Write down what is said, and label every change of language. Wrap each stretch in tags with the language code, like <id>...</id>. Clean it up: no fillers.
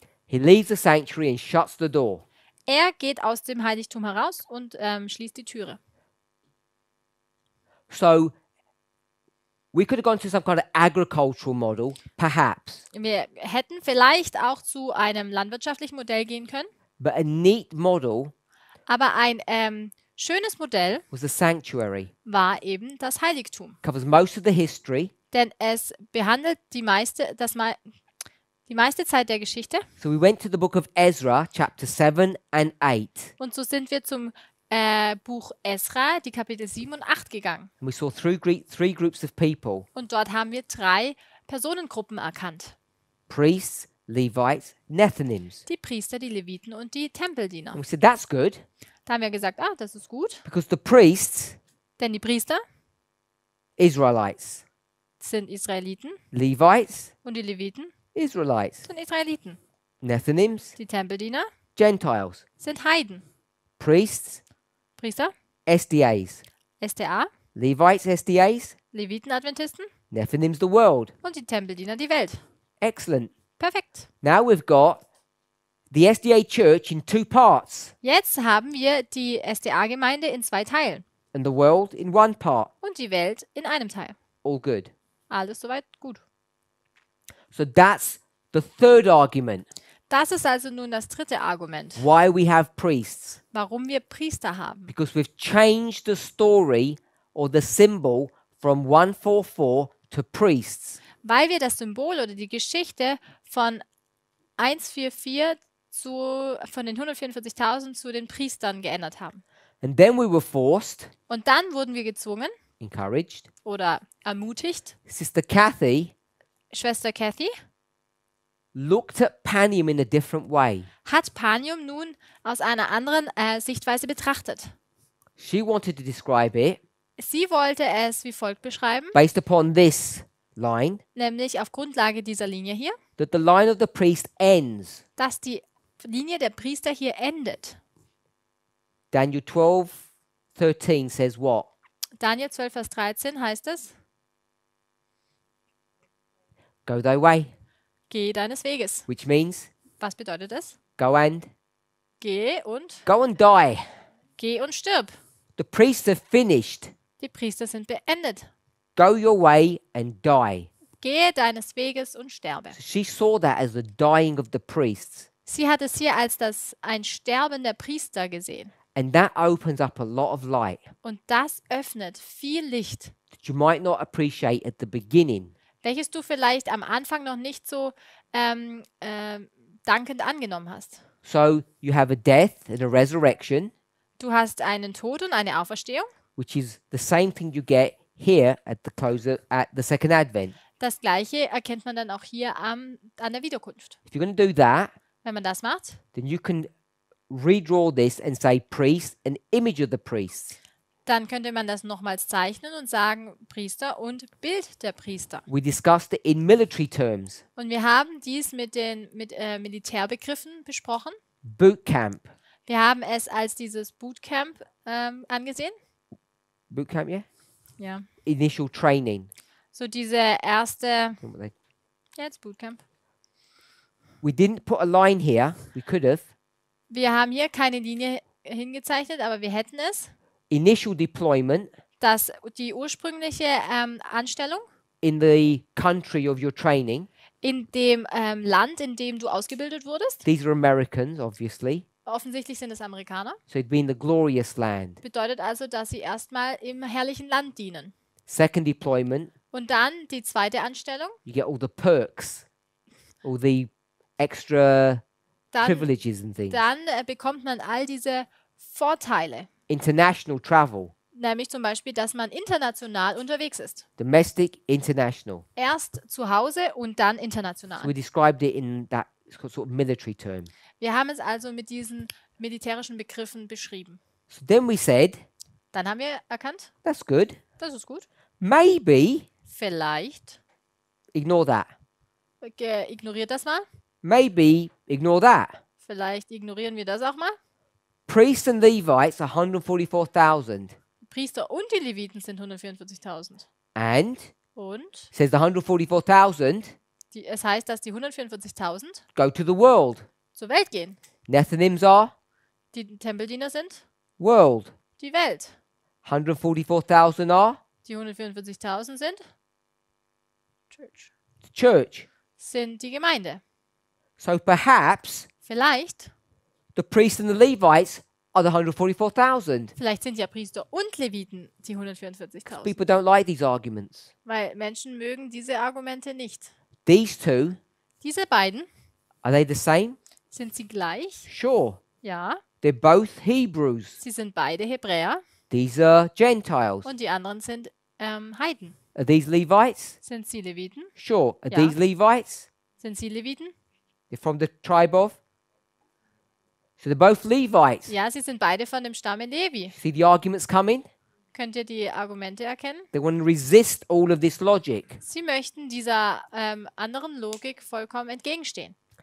<en>He leaves the sanctuary and shuts the door.</en> <de>Er geht aus dem Heiligtum heraus und schließt die Türe.</de> <en>So we could have gone to some kind of agricultural model, perhaps.</en> <de>Wir hätten vielleicht auch zu einem landwirtschaftlichen Modell gehen können.</de> <en>But a neat model.</en> <de>Aber ein schönes Modell</de> <en>was the sanctuary.</en> <de>War eben das Heiligtum.</de> <en>Covers most of the history.</en> <de>Denn es behandelt die meiste Zeit der Geschichte.</de> <en>So we went to the book of Ezra, chapter 7 and 8.</en> <de>Und so sind wir zum Buch Ezra, die Kapitel 7 und 8 gegangen.</de> <en>And we saw three groups of people.</en> <de>Und dort haben wir drei Personengruppen erkannt.</de> <en>Priests, Levites, Nethinims.</en> <de>Die Priester, die Leviten und die Tempeldiener.</de> <en>And we said, that's good.</en> <de>Da haben wir gesagt, ah, das ist gut.</de> <en>Because the priests,</en> <de>denn die Priester,</de> <en>Israelites,</en> <de>sind Israeliten.</de> <en>Levites,</en> <de>und die Leviten,</de> <en>Israelites,</en> <de>sind Israeliten.</de> <en>Nethinims,</en> <de>die Tempeldiener,</de> <en>Gentiles,</en> <de>sind Heiden.</de> <en>Priests,</en> <de>Priester,</de> <en>SDAs,</en> <de>SDA,</de> <en>Levites, SDAs,</en> <de>Leviten, Adventisten,</de> <en>Nethinims, the world,</en> <de>und die Tempeldiener, die Welt.</de> <en>Excellent.</en> <de>Perfekt.</de> <en>Now we've got the SDA church in two parts.</en> <de>Jetzt haben wir die SDA-Gemeinde in zwei Teilen.</de> <en>And the world in one part.</en> <de>Und die Welt in einem Teil.</de> <en>All good.</en> <de>Alles soweit gut.</de> <en>So that's the third argument.</en> <de>Das ist also nun das dritte Argument.</de> <en>Why we have priests.</en> <de>Warum wir Priester haben.</de> <en>Because we've changed the story or the symbol from 144 to priests.</en> <de>Weil wir das Symbol oder die Geschichte von 144 zu von den 144.000 zu den Priestern geändert haben.</de> <en>And then we were forced.</en> <de>Und dann wurden wir gezwungen.</de> <en>Encouraged.</en> <de>Oder ermutigt.</de> <en>Sister Kathy.</en> <de>Schwester Kathy.</de> <en>Looked at Panium in a different way.</en> <de>Hat Panium nun aus einer anderen Sichtweise betrachtet.</de> <en>She wanted to describe it.</en> <de>Sie wollte es wie folgt beschreiben.</de> <en>Based upon this line.</en> <de>Nämlich auf Grundlage dieser Linie hier.</de> <en>That the line of the priest ends.</en> <de>Dass die Linie der Priester hier endet.</de> <en>Daniel 12, 13 says what?</en> <de>Daniel 12, Vers 13 heißt es.</de> <en>Go thy way.</en> <de>Geh deines Weges.</de> <en>Which means?</en> <de>Was bedeutet es?</de> <en>Go and.</en> <de>Geh und.</de> <en>Go and die.</en> <de>Geh und stirb.</de> <en>The priests have finished.</en> <de>Die Priester sind beendet.</de> <en>Go your way and die.</en> <de>Gehe deines Weges und sterbe.</de> <en>So she saw that as the dying of the priests.</en> <de>Sie hat es hier als das ein Sterben der Priester gesehen.</de> <en>And that opens up a lot of light.</en> <de>Und das öffnet viel Licht.</de> <en>That you might not appreciate at the beginning.</en> <de>Welches du vielleicht am Anfang noch nicht so dankend angenommen hast.</de> <en>So you have a death and a resurrection.</en> <de>Du hast einen Tod und eine Auferstehung.</de> <en>Which is the same thing you get here at the close of, at the second advent.</en> <de>Das gleiche erkennt man dann auch hier an der Wiederkunft.</de> <en>If you're gonna do that,</en> <de>wenn man das macht,</de> <en>then you can redraw this and say priest, an image of the priest.</en> <de>Dann könnte man das nochmals zeichnen und sagen Priester und Bild der Priester.</de> <en>We discussed it in military terms.</en> <de>Und wir haben dies mit Militärbegriffen besprochen.</de> <en>Bootcamp.</en> <de>Wir haben es als dieses Bootcamp angesehen.</de> <en>Bootcamp, yeah?</en> <de>Ja.</de> <en>Initial training.</en> <de>So diese erste. Ja, jetzt Bootcamp.</de> <en>We didn't put a line here. We could have.</en> <de>Wir haben hier keine Linie hingezeichnet, aber wir hätten es.</de> <en>Initial deployment.</en> <de>Das die ursprüngliche Anstellung.</de> <en>In the country of your training.</en> <de>In dem Land, in dem du ausgebildet wurdest.</de> <en>These are Americans, obviously.</en> <de>Offensichtlich sind es Amerikaner.</de> <en>So it'd be in the glorious land.</en> <de>Bedeutet also, dass sie erstmal im herrlichen Land dienen.</de> <en>Second deployment.</en> <de>Und dann die zweite Anstellung.</de> <en>You get all the perks, all the extra privileges and things.</en> <de>Dann bekommt man all diese Vorteile.</de> <en>International travel.</en> <de>Nämlich zum Beispiel, dass man international unterwegs ist.</de> <en>Domestic, international.</en> <de>Erst zu Hause und dann international.</de> <en>So we described it in that sort of military term.</en> <de>Wir haben es also mit diesen militärischen Begriffen beschrieben.</de> <en>So then we said.</en> <de>Dann haben wir erkannt.</de> <en>That's good.</en> <de>Das ist gut.</de> <en>Maybe.</en> <de>Vielleicht.</de> <en>Ignore that.</en> <de>Okay, ignoriert das mal.</de> <en>Maybe ignore that.</en> <de>Vielleicht ignorieren wir das auch mal.</de> <en>Priests and Levites, 144,000.</en> <de>Priester und die Leviten sind 144,000.</de> <en>And?</en> <de>Und?</de> <en>Says the 144,000.</en> <de>Es heißt, dass die 144,000</de> <en>go to the world.</en> <de>Zur Welt gehen.</de> <en>Nethinims are?</en> <de>Die Tempeldiener sind?</de> <en>World.</en> <de>Die Welt.</de> <en>144,000 are?</en> <de>Die 144,000 sind?</de> <en>Church. The church.</en> <de>Sind die Gemeinde.</de> <en>So perhaps</en> <de>vielleicht</de> <en>the priests and the Levites are the 144,000.</en> <de>Vielleicht sind ja Priester und Leviten die 144,000.</de> <en>People don't like these arguments.</en> <de>Weil Menschen mögen diese Argumente nicht.</de> <en>These two,</en> <de>diese beiden,</de> <en>are they the same?</en> <de>Sind sie gleich?</de> <en>Sure.</en> <de>Ja.</de> <en>They're both Hebrews.</en> <de>Sie sind beide Hebräer.</de> <en>These are Gentiles.</en> <de>Und die anderen sind Heiden.</de> <en>Are these Levites?</en> <de>Sind sie Leviten?</de> <en>Sure. Are these Levites?</en> <de>Sind sie Leviten?</de> <en>They're from the tribe of. So they're both Levites.</en> <de>Ja, sie sind beide von dem Stamm Levi.</de> <en>See the arguments coming?</en> <de>Könnt ihr die Argumente erkennen?</de> <en>They want to resist all of this logic.</en> <de>Sie möchten dieser anderen Logik vollkommen entgegenstehen.</de>